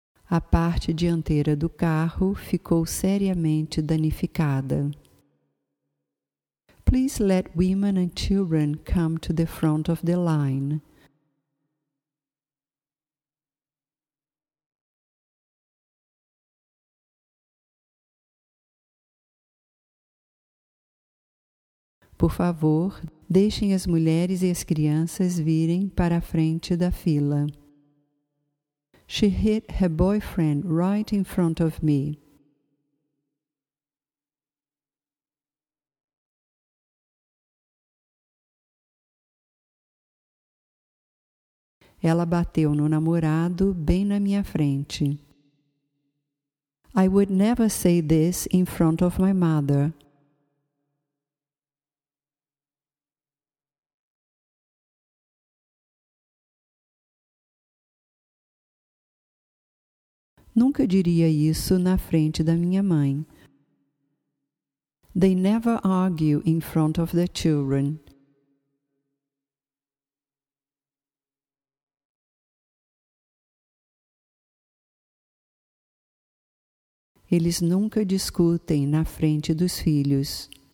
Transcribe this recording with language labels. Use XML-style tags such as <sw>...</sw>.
<pt>A parte dianteira do carro ficou seriamente danificada.</pt> <en>Please let women and children come to the front of the line.</en> <pt>Por favor, deixem as mulheres e as crianças virem para a frente da fila.</pt> <en>She hit her boyfriend right in front of me.</en> <pt>Ela bateu no namorado bem na minha frente.</pt> <en>I would never say this in front of my mother.</en> <pt>Nunca diria isso na frente da minha mãe.</pt> <en>They never argue in front of their children.</en> <pt>Eles nunca discutem na frente dos filhos.</pt>